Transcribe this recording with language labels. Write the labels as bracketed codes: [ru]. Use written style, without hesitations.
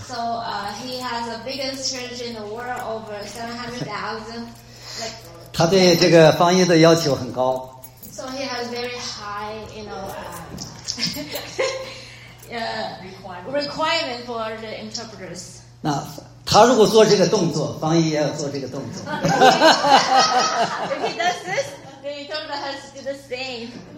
[en] So he has the biggest church in the world, over 700,000. [zh] Like, 他对这个翻译的要求很高。 [en] So he has very high, you know, requirement for the interpreters. [zh] 那他如果做这个动作，翻译也要做这个动作。 [en] If he does this, the interpreter has to do the same.